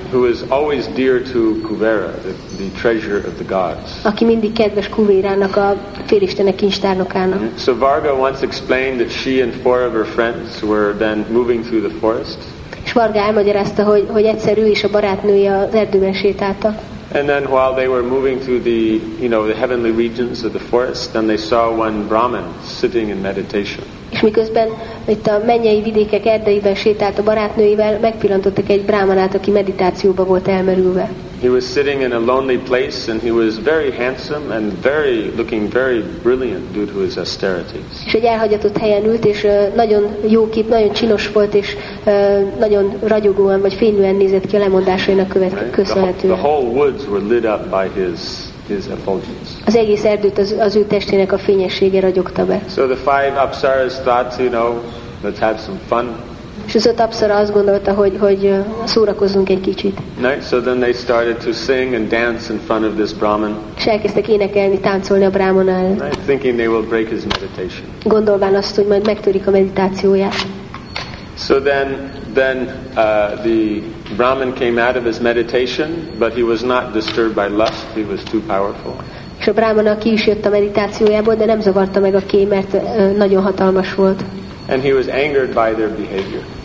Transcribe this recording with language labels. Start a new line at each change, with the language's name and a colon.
English: Who is always dear to Kuvera, the treasure of the gods.
Hungarian: Aki mindig kedves Kuverának, a félistenek kincstárnokának.
English: So Varga once explained that she and four of her friends were then moving through the forest.
Hungarian: És Varga elmagyarázta, hogy egyszer ő és a barátnője az erdőben sétáltak.
English: And then while they were moving through the, you know, the heavenly regions of the forest, then they saw one Brahman sitting in meditation.
Hungarian: És miközben itt a mennyei vidékek erdeiben sétált a barátnőivel, megpillantottak egy brámanát, aki meditációba volt elmerülve.
English: He was sitting in a lonely place and he was very handsome and very looking very brilliant due to his austerities.
Hungarian: És egy elhagyatott helyen ült, és nagyon jó kép, nagyon csinos volt, és nagyon ragyogóan vagy fénylően nézett ki a lemondásainak köszönhetően.
English: The whole woods were lit up by his effulgence.
Hungarian: Az egész erdőt az ő testének a fényessége ragyogta be.
English: So the five apsaras thought, you know, let's have some fun.
Hungarian: És az öt apszara azt gondolta, hogy szórakozzunk egy kicsit.
English: Right, so then they started to sing and dance in front of this Brahman.
Hungarian: És elkezdtek énekelni, táncolni a Brahman előtt.
English: Right, thinking they will break his meditation.
Hungarian: Gondolván azt, hogy majd megtörik a meditációját.
English: So then the Brahman came out of his meditation, but he was not disturbed by lust, he was too powerful.
Hungarian: És a Brahman ki is jött a meditációjából, de nem zavarta meg a kém, mert nagyon hatalmas volt.
English: And he was angered by their behavior.